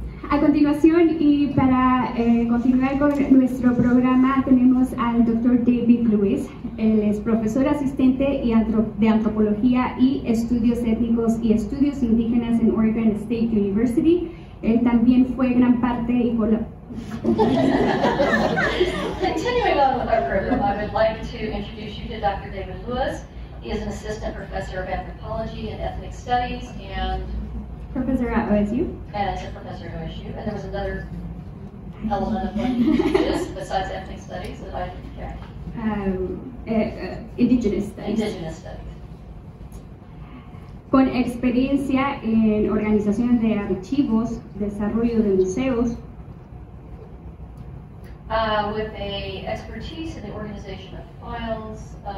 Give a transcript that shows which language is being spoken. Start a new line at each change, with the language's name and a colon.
Spanish: A continuación, y para continuar con nuestro programa, tenemos al Dr. David Lewis. Él es profesor asistente de Antropología y Estudios Étnicos y Estudios Indígenas en Oregon State University. Él también fue gran parte y
English: Continuing on with our program, I would like to introduce you to Dr. David Lewis. He is an assistant professor of Anthropology and Ethnic Studies and Professor at OSU. And as a professor at OSU. And there was another element of what besides ethnic studies that I didn't care. Indigenous studies. Indigenous studies.
Spanish: Con experiencia en organización de archivos, desarrollo de museos.
English: with a expertise in the organization of files,